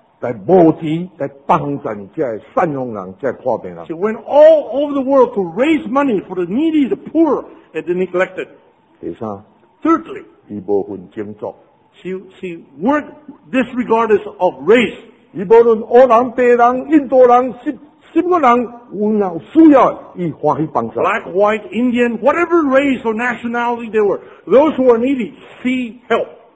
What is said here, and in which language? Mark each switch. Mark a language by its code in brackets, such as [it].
[zh] 在募集在帮助这些善用人这些看病人 [en] She went all over the world to raise money for the needy, the poor, and the neglected. [zh] 第三 [en] Thirdly, [zh] 她不分种族 [en] She worked disregardless of race. [zh] 她不论黑人、白人、印度人、什么人有需要她欢喜帮助 [en] Black, white, Indian, whatever race or nationality they were, those who are needy, she helped.